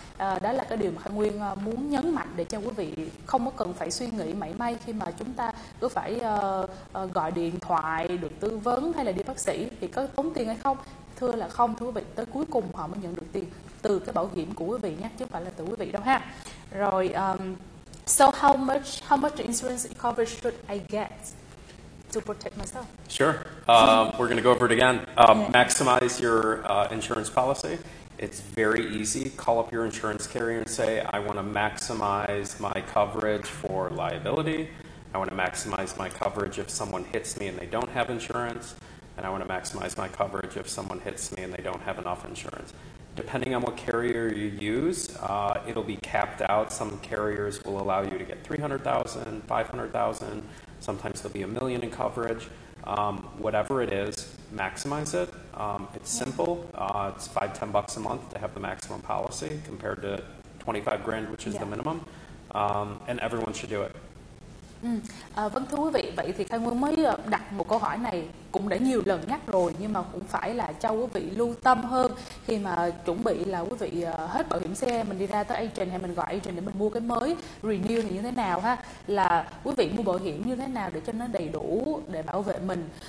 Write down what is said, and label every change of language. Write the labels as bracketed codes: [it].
[vi] Đó là cái điều mà Khang Nguyên muốn nhấn mạnh để cho quý vị không có cần phải suy nghĩ mảy may khi mà chúng ta cứ phải gọi điện thoại được tư vấn hay là đi bác sĩ thì có tốn tiền hay không. Thưa là không, thưa quý vị, tới cuối cùng họ mới nhận được tiền từ cái bảo hiểm của quý vị nhé, chứ không phải là từ quý vị đâu ha. [en] Rồi, so how much insurance coverage should I get to protect myself? Sure. We're going to go over it again. Maximize your insurance policy. It's very easy. Call up your insurance carrier and say, I want to maximize my coverage for liability. I want to maximize my coverage if someone hits me and they don't have insurance. And I want to maximize my coverage if someone hits me and they don't have enough insurance. Depending on what carrier you use, it'll be capped out. Some carriers will allow you to get $300,000, $500,000. Sometimes there'll be $1 million in coverage. Whatever it is, maximize it. It's simple. It's $5-$10 a month to have the maximum policy compared to $25,000, which is the minimum. And everyone should do it. [vi] Vâng thưa quý vị, vậy thì Khang Nguyên mới đặt một câu hỏi này cũng đã nhiều lần nhắc rồi, nhưng mà cũng phải là cho quý vị lưu tâm hơn khi mà chuẩn bị là quý vị hết bảo hiểm xe, mình đi ra tới agent hay mình gọi agent để mình mua cái mới, renew thì như thế nào ha, là quý vị mua bảo hiểm như thế nào để cho nó đầy đủ để bảo vệ mình.